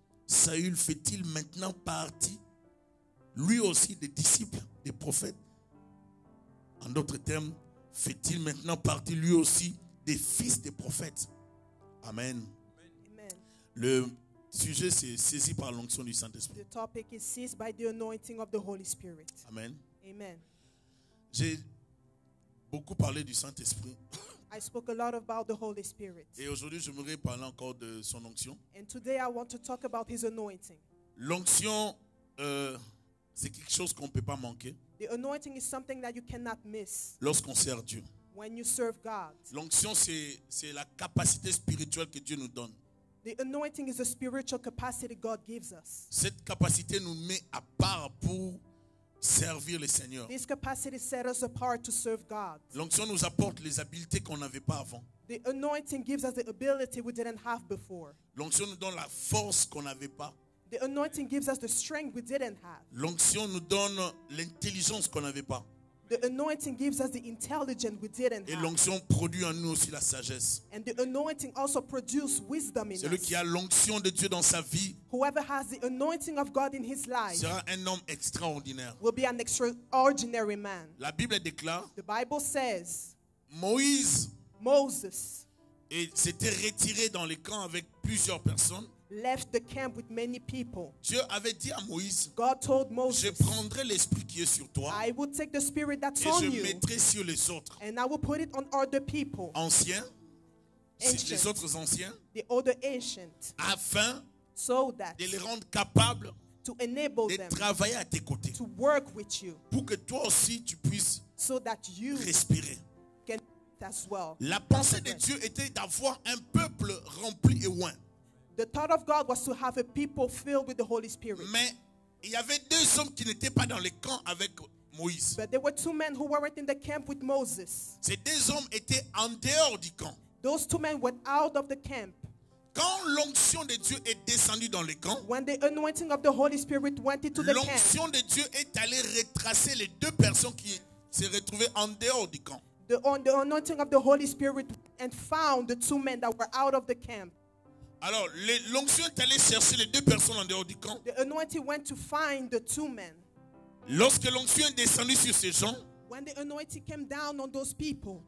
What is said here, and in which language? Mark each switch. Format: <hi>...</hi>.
<fr>Saül fait-il maintenant partie lui aussi des disciples des prophètes? En d'autres termes, fait-il maintenant partie lui aussi des fils des prophètes? Amen. Amen. Le sujet, c'est saisi par l'onction du Saint-Esprit.</fr> <en>The topic is seized by the anointing of the Holy Spirit.</en> <fr>Amen. Amen. J'ai beaucoup parlé du Saint-Esprit.</fr> <en>I spoke a lot about the Holy Spirit.</en> <fr>Et aujourd'hui, j'aimerais parler encore de son onction.</fr> <en>And today, I want to talk about his anointing.</en> <fr>L'onction, c'est quelque chose qu'on ne peut pas manquer.</fr> <en>The anointing is something that you cannot miss.</en> <fr>Lorsqu'on sert Dieu.</fr> <en>When you serve God.</en> <fr>L'onction, c'est la capacité spirituelle que Dieu nous donne.</fr> <en>The anointing is a spiritual capacity God gives us.</en> <fr>Cette capacité nous met à part pour servir le Seigneur.</fr> <en>This capacity sets us apart to serve God.</en> <fr>L'onction nous apporte les habiletés qu'on n'avait pas avant.</fr> <en>The anointing gives us the ability we didn't have before.</en> <fr>L'onction nous donne la force qu'on n'avait pas.</fr> <en>The anointing gives us the strength we didn't have.</en> <fr>L'onction nous donne l'intelligence qu'on n'avait pas.</fr> <en>The anointing gives us the intelligence we didn't have.</en> <fr>Et l'onction produit en nous aussi la sagesse.</fr> <en>And the anointing also produces wisdom in us.</en> <fr>Celui qui a l'onction de Dieu dans sa vie,</fr> <en>whoever has the anointing of God in his life,</en> <fr>sera un homme extraordinaire.</fr> <en>Will be an extraordinary man.</en> <fr>La Bible déclare.</fr> <en>The Bible says. Moses.</en> <fr>Et s'était retiré dans les camps avec plusieurs personnes.</fr> <en>Left the camp with many people.</en> <fr>Dieu avait dit à Moïse,</fr> <en>God told Moses,</en> <fr>je prendrai l'esprit qui est sur toi,</fr> <en>I will take the spirit that's on you,</en> <fr>et je mettrai sur les autres,</fr> <en>and I will put it on other people,</en> <fr>anciens,</fr> <en>ancient,</en> <fr>les autres anciens,</fr> <en>the other ancient,</en> <fr>afin</fr> <en>so that</en> <fr>de les rendre capables</fr> <en>to enable</en> <fr>de travailler</fr> <en>them</en> <fr>à tes côtés,</fr> <en>to work with you,</en> <fr>pour que toi aussi tu puisses</fr> <en>so that you</en> <fr>respirer.</fr> <en>Can as well.</en> <fr>La pensée de Dieu était d'avoir un peuple rempli et oint.</fr> <en>The thought of God was to have a people filled with the Holy Spirit.</en> <fr>Mais il y avait deux hommes qui n'étaient pas dans les camps avec Moïse.</fr> <en>But there were two men who weren't in the camp with Moses.</en> <fr>Ces deux hommes étaient en dehors du camp.</fr> <en>Those two men were out of the camp.</en> <fr>Quand l'onction de Dieu est descendue dans le camp,</fr> <en>when the anointing of the Holy Spirit went into the camp,</en> <fr>l'onction de Dieu est allée retracer les deux personnes qui se retrouvaient en dehors du camp.</fr> <en>The anointing of the Holy Spirit and found the two men that were out of the camp.</en> <fr>Alors, l'onction est allée chercher les deux personnes en dehors du camp.</fr> <en>The anointing went to find the two men.</en> <fr>Lorsque l'onction est descendue sur ces gens,</fr> <en>when the anointing came down on those people,</en>